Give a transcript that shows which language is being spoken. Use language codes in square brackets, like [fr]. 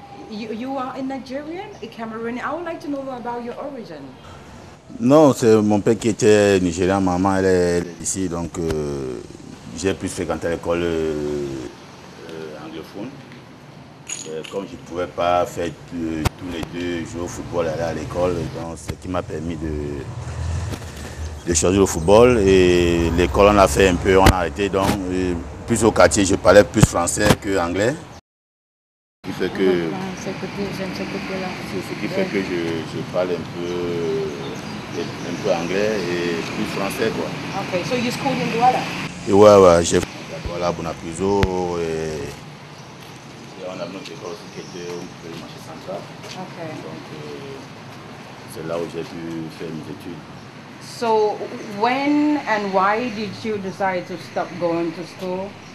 [en] You are a Nigerian, a Cameroonian. I would like to know about your origin. [fr] Non, c'est mon père qui était nigérien, maman elle est ici, donc j'ai plus fréquenté l'école anglophone. Comme je ne pouvais pas faire tous les deux jouer au football aller à l'école, donc c'est ce qui m'a permis de choisir le football. Et l'école on a fait un peu, on a arrêté, donc plus au quartier je parlais plus français qu'anglais. Ce qui fait que, j'aime ce côté-là. Ce qui fait que je parle un peu. Un peu anglais et plus français, quoi. [en] Ok, so you school in Douala? [fr] Et ouais, j'ai fait la Douala, Bounapouzo et on a notre école aussi qui était au marché central. Ok. Donc, c'est là où j'ai pu faire mes études. [en] So, when and why did you decide to stop going to school?